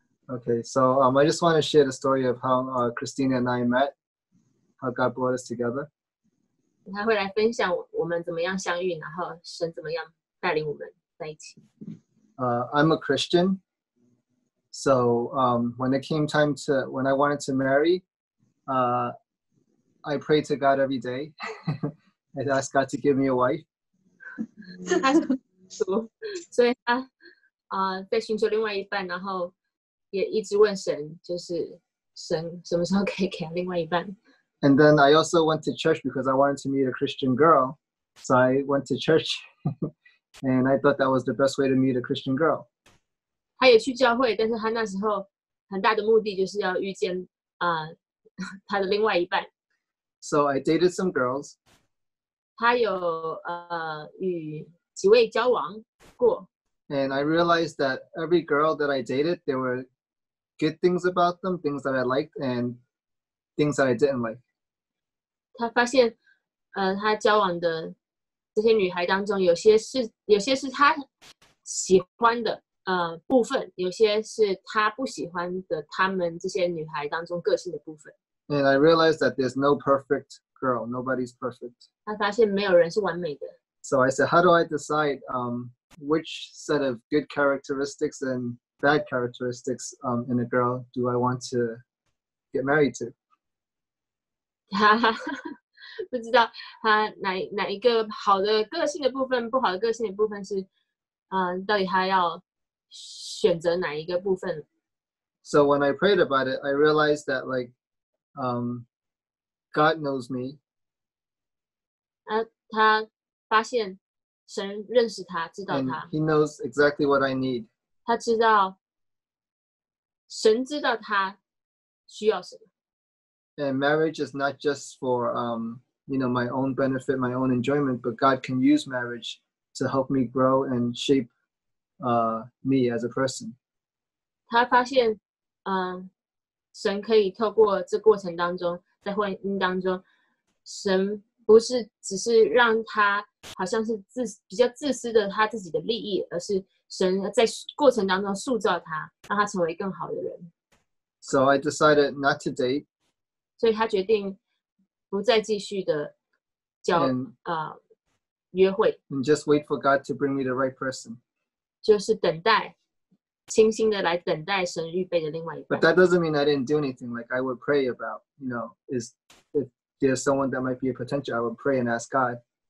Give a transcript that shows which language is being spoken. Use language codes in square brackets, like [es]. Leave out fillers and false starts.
[en] Okay, so I just want to share the story of how Christina and I met, how God brought us together. [zh] 他会来分享我们怎么样相遇，然后神怎么样带领我们在一起。 [en] I'm a Christian, so when it came time to when I wanted to marry, I prayed to God every day. I asked God to give me a wife. [zh] 所以他在寻求另外一半，然后也一直问神，就是神什么时候可以给另外一半。 [en] And then I also went to church because I wanted to meet a Christian girl. So I went to church and I thought that was the best way to meet a Christian girl. [zh] 他也去教会，但是他那时候很大的目的就是要遇见他的另外一半。 [en] So I dated some girls. [zh] 他有与几位交往过。 [en] And I realized that every girl that I dated, there were good things about them, things that I liked, and things that I didn't like. [zh] 他发现，他交往的这些女孩当中，有些是他喜欢的部分，有些是他不喜欢的。他们这些女孩当中个性的部分。 [en] And I realized that there's no perfect girl. Nobody's perfect. [zh] 他发现没有人是完美的。 [en] So I said, how do I decide which set of good characteristics and bad characteristics in a girl do I want to get married to? [zh] 他不知道他哪一个好的个性的部分，不好的个性的部分是，到底他要选择哪一个部分 [en] ？So when I prayed about it, I realized that like, God knows me. [zh] 他发现神认识他，知道他。 [en] He knows exactly what I need. [zh] 他知道，神知道他需要什么。 [en] And marriage is not just for, you know, my own benefit, my own enjoyment, but God can use marriage to help me grow and shape, me as a person. [zh] 他发现，神可以透过这过程当中，在婚姻当中，神不是只是让他好像是比较自私的他自己的利益，而是神在过程当中塑造他，让他成为更好的人。 [en] So I decided not to date. [zh] 所以他决定不再继续的叫约会。 [en] And just wait for God to bring me the right person. [zh] 就是等待，清心的来等待神预备的另外一半。 [en] But that doesn't mean I didn't do anything. Like I would pray about, you know, is if there's someone that might be a potential, I would pray and ask God.